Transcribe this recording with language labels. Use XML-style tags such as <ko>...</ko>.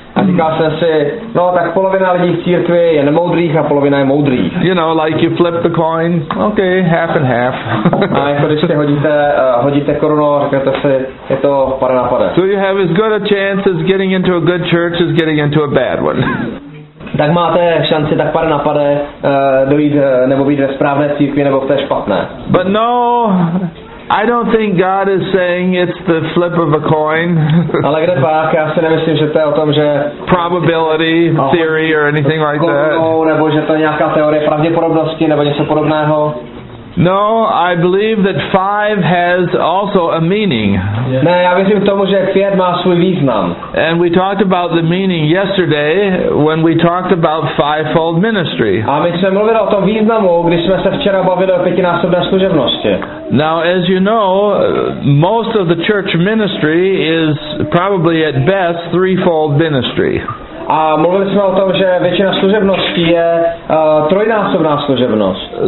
<cs>A říkal jsem si, no tak polovina lidí v církvi je nemoudrých a polovina je moudrých.</cs> <en>You know, like you flip the coin, okay, half and half.</en> <cs>A jako když si hodíte korunu, řeknete si, je to pare na pare.</cs> <en>So you have as good a chance as getting into a good church as getting into a bad one.</en> <cs>Tak máte šanci tak pare na pare dojít nebo být ve správné církvi nebo v té špatné.</cs> <en>But no, I don't think God is saying it's the flip of a coin.</en> <cs>Ale kde pak, já si nemyslím, že to je o tom, že</cs> <en>probability theory or anything like that.</en> <cs>Nebo že to je nějaká teorie pravděpodobnosti nebo něco podobného.</cs> <en>No, I believe that five has also a meaning.</en> <cs>Ne, já věřím tomu, že pět má svůj význam.</cs> <en>And we talked about the meaning yesterday when we talked about fivefold ministry.</en> <cs>A my jsme mluvili o tom významu, když jsme se včera bavili o pětinásobné služebnosti.</cs> <en>Now, as you know, most of the church ministry is probably at best threefold ministry.</en> <cs>A mluvili jsme o tom, že většina služebností je trojnásobná služebnost.</cs>